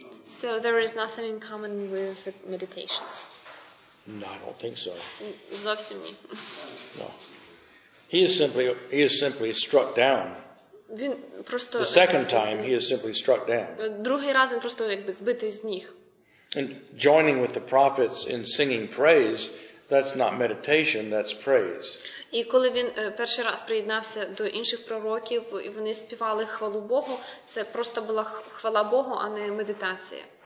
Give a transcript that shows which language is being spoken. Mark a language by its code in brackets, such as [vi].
[en] So there is nothing in common with meditations. No, I don't think so. [uk] Зовсім ні. [en] No. He is simply struck down. [uk] Він просто [en] The second time he is simply struck down. [uk] Другий раз він просто якби збитий з ніг. [en] And joining with the prophets in singing praise, that's not meditation, that's praise. [uk] І коли він перший раз приєднався до інших пророків, і вони співали хвалу Богу, це просто була хвала Богу, а не медитація.